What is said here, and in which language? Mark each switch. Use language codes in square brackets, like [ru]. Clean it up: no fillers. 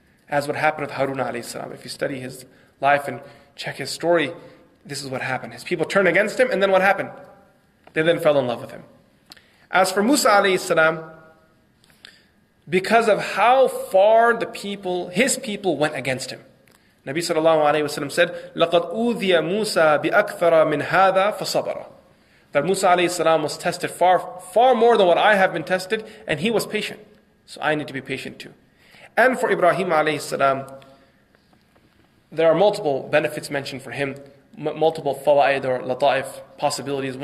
[en] As what happened with Harun alayhi salam. If you study his life and check his story, this is what happened. His people turned against him, and then what happened? They then fell in love with him. As for Musa alayhi salam, because of how far the people, his people went against him. [ar] Nabi sallallahu alayhi wa sallam said, لَقَدْ أُوذِيَ مُوسَى بِأَكْثَرَ مِنْ هَذَا فَصَبَرَ. [en] That Musa alayhi salam was tested far, far more than what I have been tested, and he was patient. So I need to be patient too. And for Ibrahim alayhi salam, there are multiple benefits mentioned for him, multiple fawaid or lata'if possibilities.